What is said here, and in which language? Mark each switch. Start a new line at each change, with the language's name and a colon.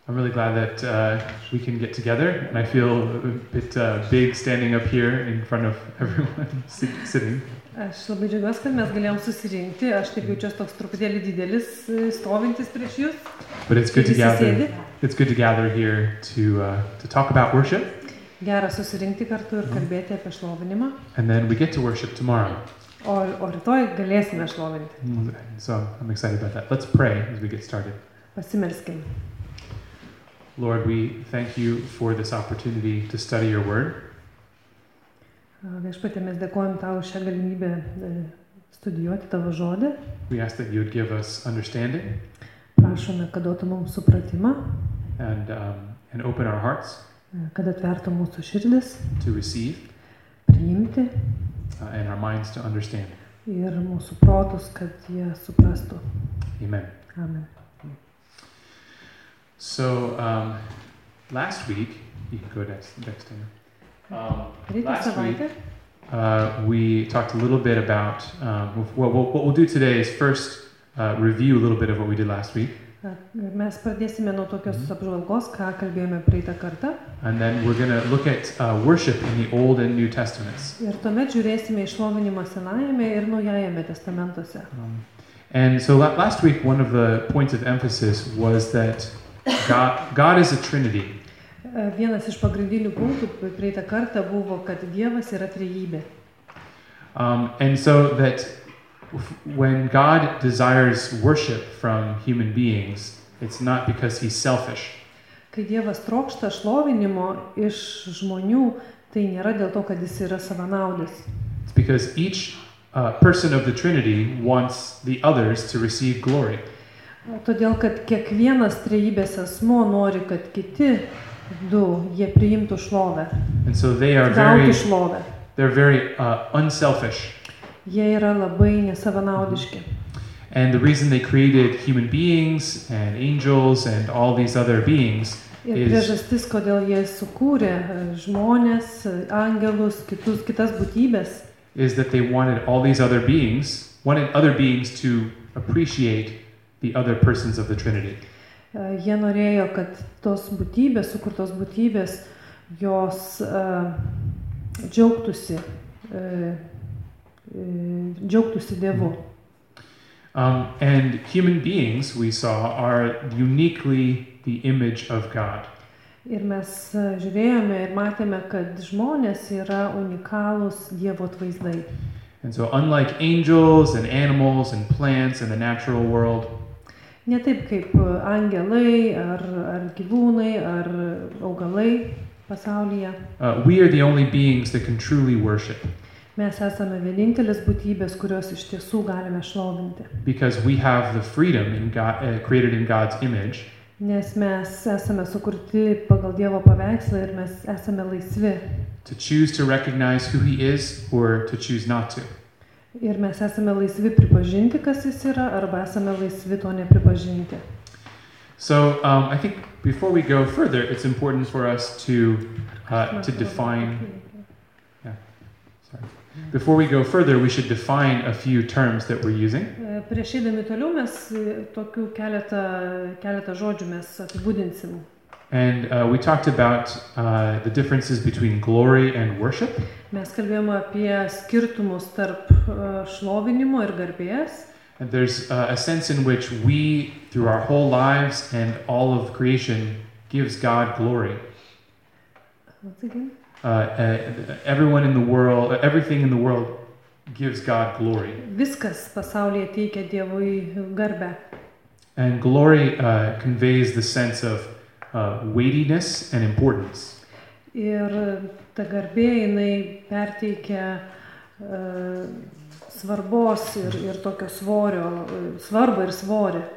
English: I'm really glad that we can get together, and I feel a bit big standing up here in front of everyone sitting.
Lithuanian: Aš labai džiaugiuosi, kad mes galėjom susirinkti. Aš taip jaučiuosi toks truputėlį didelis stovintis prieš jus.
English: But it's good to gather here to talk about worship.
Lithuanian: Gera susirinkti kartu ir kalbėti apie šlovinimą.
English: And then we get to worship tomorrow.
Lithuanian: O rytoj galėsime šlovinti.
English: So I'm excited about that. Let's pray as we get started.
Lithuanian: Pasimelskim.
English: Lord, we thank you for this opportunity to study your word.
Lithuanian: Viešpatie, mes dėkojame tau šią galimybę studijuoti tavo žodį.
English: We ask that you would give us understanding.
Lithuanian: Prašome, kad duotum mums supratimą.
English: And open our hearts.
Lithuanian: Kad atvertų mūsų širdis.
English: To receive.
Lithuanian: Priimti.
English: And our minds to understand.
Lithuanian: Ir mūsų protus, kad jie suprastų.
English: Amen.
Lithuanian: Amen.
English: So, last week, you can go next time. Last week, we talked a little bit about what we'll do today is first review a little bit of what we did last week.
Lithuanian: Mes pradėsime nuo tokios apžvalgos, ką kalbėjome praeitą kartą.
English: And then we're going to look at worship in the Old and New Testaments.
Lithuanian: Ir tuomet žiūrėsime į šlovinimą Senajame ir Naujajame Testamentuose.
English: And so last week one of the points of emphasis was that God is a Trinity.
Lithuanian: Vienas iš pagrindinių punktų praeitą kartą buvo, kad Dievas yra trejybė.
English: And so that when God desires worship from human beings, it's not because he's selfish.
Lithuanian: Kai Dievas trokšta šlovinimo iš žmonių, tai nėra dėl to, kad jis yra savanaudis.
English: It's because each person of the Trinity wants the others to receive glory.
Lithuanian: Todėl, kad kiekvienas trejybės asmo nori, kad kiti du, jie priimtų šlovę.
English: And so they are very unselfish.
Lithuanian: Jie yra labai nesavanaudiški.
English: And the reason they created human beings and angels and all these other beings
Lithuanian: ir
English: is
Lithuanian: priežastis, kodėl jie sukūrė žmonės, angelus, kitas būtybės,
English: is that they wanted all these other beings, wanted other beings to appreciate the other persons of the Trinity.
Lithuanian: Jie norėjo, kad tos būtybės, sukurtos būtybės, jos džiaugtųsi Dievu.
English: And human beings, we saw, are uniquely the image of God.
Lithuanian: Ir mes žiūrėjome ir matėme, kad žmonės yra unikalūs Dievo atvaizdai.
English: And so unlike angels and animals and plants and the natural world,
Lithuanian: ne taip kaip angelai ar gyvūnai ar augalai pasaulyje.
English: We are the only beings that can truly worship.
Lithuanian: Mes esame vienintelis būtybės, kurios iš tiesų galime šlovinti.
English: Because we have the freedom in God, created in God's image.
Lithuanian: Nes mes esame sukurti pagal Dievo paveikslą ir mes esame laisvi.
English: To choose to recognize who he is or to choose not to.
Lithuanian: Ir mes esame laisvi pripažinti, kas jis yra, arba esame laisvi to nepripažinti.
English: So, I think before we go further, it's important for us to define. Before we go further, we should define a few terms that we're using.
Lithuanian: Prieš eidami toliau, mes tokių keletą žodžių mes apibūdinsim.
English: And we talked about the differences between glory and worship.
Lithuanian: Mes kalbėjome apie skirtumus tarp šlovinimo ir garbės.
English: And there's a sense in which we, through our whole lives and all of creation, gives God glory. Once again. Everyone in the world, everything in the world gives God glory.
Lithuanian: Viskas pasaulyje teikia Dievui garbę.
English: And glory conveys the sense of weightiness and importance.
Lithuanian: Ir ta garbė, jinai perteikia svarbos ir tokio svorio, svarbą ir svorį.